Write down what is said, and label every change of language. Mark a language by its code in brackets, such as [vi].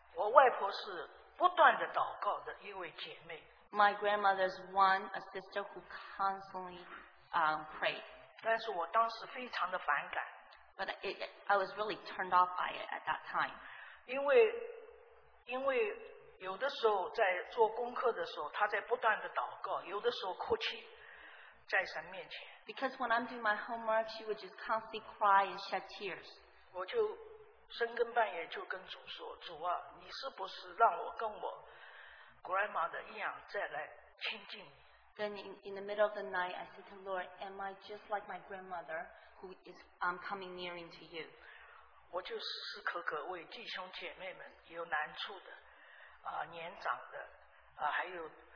[zh] 我外婆是不断的祷告的一位姐妹。 [en] My grandmother's one, a sister who constantly prayed. [zh] 但是我当时非常的反感。 [en] But I was really turned off by it at that time. [zh] 因为有的时候在做功课的时候，她在不断的祷告，有的时候哭泣在神面前。 [en] Because when I'm doing my homework, she would just constantly cry and shed tears. [zh] 我就深更半夜就跟主说，主啊，你是不是让我跟我 [en] grandmother [zh] 一样再来亲近？ [en] Then in the middle of the night, I said to the Lord, am I just like my grandmother who is coming nearing to you? [zh] 我就时时刻刻为弟兄姐妹们有难处的，年长的，还有。